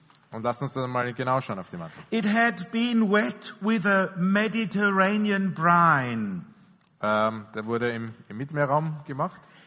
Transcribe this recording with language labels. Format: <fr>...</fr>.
<de>Und lass uns dann mal genau schauen auf die Mantel.</de> <en>It had been wet with a Mediterranean brine.</en> <de>Der wurde im Mittelmeerraum gemacht.</de>